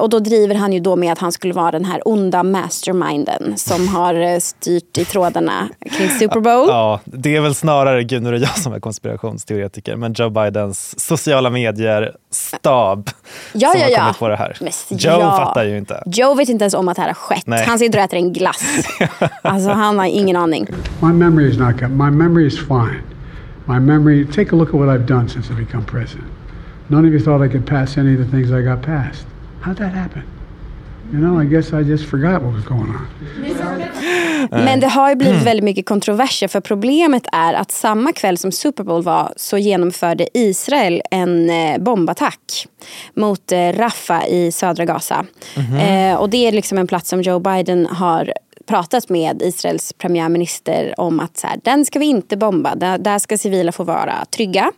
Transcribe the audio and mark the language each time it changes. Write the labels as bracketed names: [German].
[Swedish] Och då driver han ju då med att han skulle vara den här onda masterminden som har styrt i trådarna kring Super Bowl. Ja, det är väl snarare Gunnar och jag som är konspirationsteoretiker. Men Joe Bidens sociala medier stab har kommit på det här. Men, Joe ja. Fattar ju inte. Joe vet inte ens om att det här har skett. Nej. Han sitter och äter en glass. Alltså han har ingen aning. [English] My memory is not good. My memory is fine. My memory, take a look at what I've done since I've become president. None of you thought I could pass any of the things I got passed. How'd that happen? You know, I guess I just forgot what was going on. [Swedish] Men det har ju blivit väldigt mycket kontroverser, för problemet är att samma kväll som Super Bowl var så genomförde Israel en bombattack mot Rafah i södra Gaza. Mm-hmm. Och det är liksom en plats som Joe Biden har pratat med Israels premiärminister om att så här, den ska vi inte bomba, där ska civila få vara trygga.